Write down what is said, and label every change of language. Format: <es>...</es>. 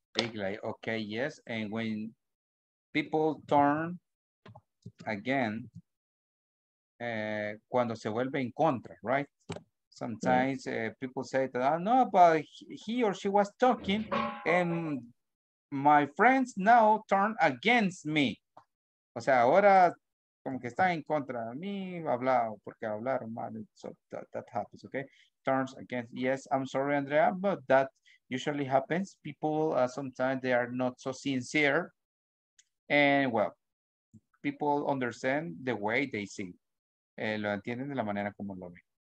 <en>Big lie, okay, yes. And when people turn again,</en> <es>cuando se vuelve en contra,</es> <en>right? Sometimes people say that, oh, no, but he or she was talking and my friends now turn against me.</en> <es>O sea, ahora como que están en contra de mí, hablado, porque hablaron mal.</es> <en>So that happens, okay? Turns against, yes, I'm sorry, Andrea, but that usually happens. People sometimes they are not so sincere. And well, people understand the way they see.</en> <es>Lo entienden de la manera como lo ven.</es>